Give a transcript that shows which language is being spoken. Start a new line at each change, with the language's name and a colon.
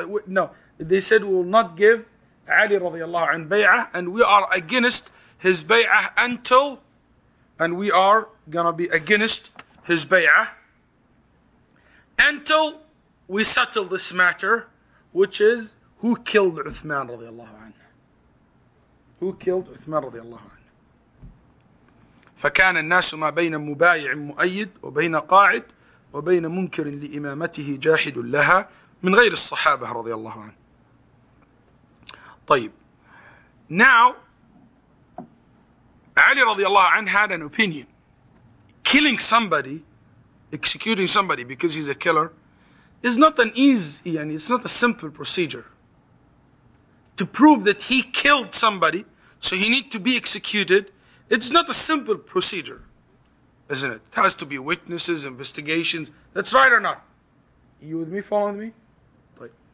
English: No, they said, we will not give Ali radiallahu anhu bay'ah, and we are against his bay'ah until, and we are going to be against his bay'ah until we settle this matter, which is who killed Uthman radiallahu anhu. Who killed Uthman radiallahu anhu?
Arabic: فكان الناس ما بين مبايع مؤيد وبين قاعد وبين منكر لإمامته جاحد لها من غير الصحابة رضي الله عنه. طيب.
English: Now, علي رضي الله عنه had an opinion. Killing somebody, executing somebody because he's a killer, is not an easy, يعني, it's not a simple procedure. To prove that he killed somebody, so he need to be executed, it's not a simple procedure, isn't it? It has to be witnesses, investigations. That's right or not? You with me, following me? Right.